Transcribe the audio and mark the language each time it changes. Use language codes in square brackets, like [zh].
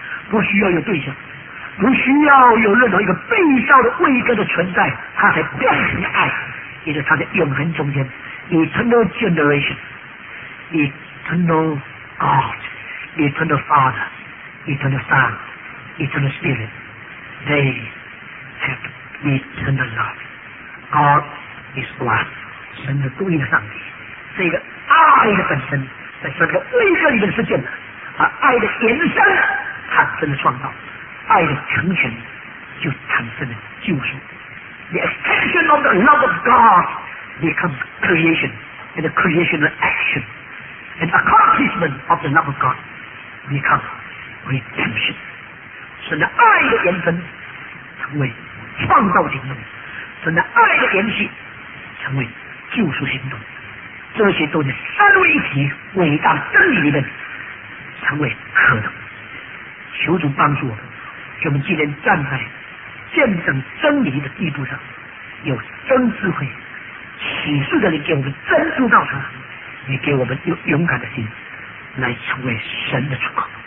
[zh] 不需要有对象，不需要有任何一个被造的位格的存在，它才变成爱，也就是它的永恒中间 [en] Eternal Generation Eternal God Eternal Father Eternal Son Eternal Spirit They have eternal love. God is one. [zh] 神是独一的上帝，这个爱的本身在这个位格里面实践的，而爱的延伸产生了创造，爱的成全就产生了救赎。 [en] The extension of the love of God becomes creation, and the creation of action and accomplishment of the love of God becomes redemption. [zh] 神的爱的延伸成为创造行动，神的爱的延续成为救赎行动，这些都在三位一体伟大的真理里面成为可能。求主帮助我们，给我们今天站在见证真理的地步上，有真智慧启示的人给我们真知道他，也给我们有勇敢的心来成为神的出口。